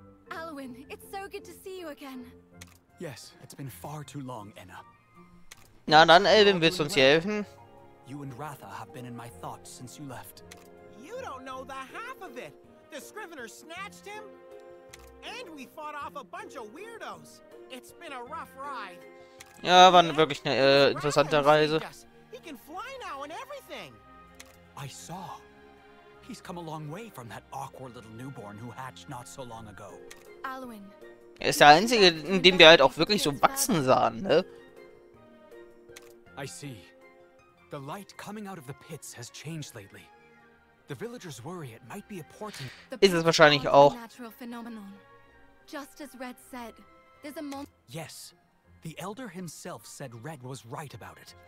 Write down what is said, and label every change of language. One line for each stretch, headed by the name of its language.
English: Alwyn, it's so good to see you again. Yes, it's been far too long, Enna.
German: Na dann, Alvin, willst du uns hier helfen?
English: You and Ratha have been in my thoughts since you left. You don't know the half of it! The Scrivener snatched him? And we fought off a bunch of weirdos. It's been a rough ride.
German: Ja, war wirklich eine interessante Reise.
English: He can fly now and everything. I saw. He's come a long way from that awkward little newborn who hatched not so long ago. Alwyn.
German: Er ist der Einzige, in dem wir halt auch wirklich so wachsen sahen, ne?
English: I see. The light coming out of the pits has changed lately. The villagers worry it might be a portent.
German: Ist es wahrscheinlich auch.
English: Natural phenomenon. Just as Red said, there's a moment. Yes. The elder himself said Red was right about it.